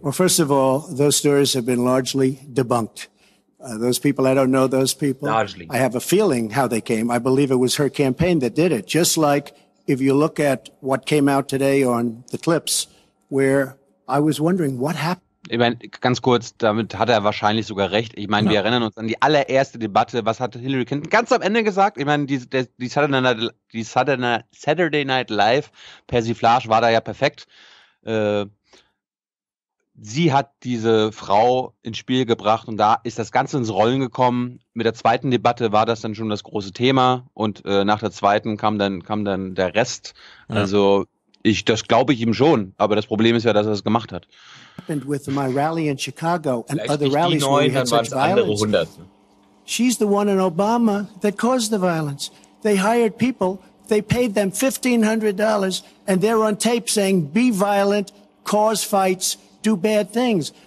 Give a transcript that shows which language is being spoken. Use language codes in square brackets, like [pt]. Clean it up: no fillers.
[en] Well, first of all, those stories have been largely debunked. Those people, I don't know those people. Largely. I have a feeling how they came. I believe it was her campaign that did it. Just like if you look at what came out today on the clips, where I was wondering what happened. [de] Ich meine, ganz kurz, damit hat er wahrscheinlich sogar recht. Ich meine, wir erinnern uns an die allererste Debatte. Was hat Hillary Clinton ganz am Ende gesagt? Ich meine, die Saturday Night Live-Persiflage war da ja perfekt. Sie hat diese Frau ins Spiel gebracht und da ist das Ganze ins Rollen gekommen. Mit der zweiten Debatte war das dann schon das große Thema und nach der zweiten kam dann der Rest. Ja. Also das glaube ich ihm schon, aber das Problem ist ja, dass er es gemacht hat. [en] Happened with my rally in Chicago and other rallies where we had such violence. She's the one in Obama that caused the violence. They hired people, they paid them $1,500, and they're on tape saying, be violent, cause fights, do bad things.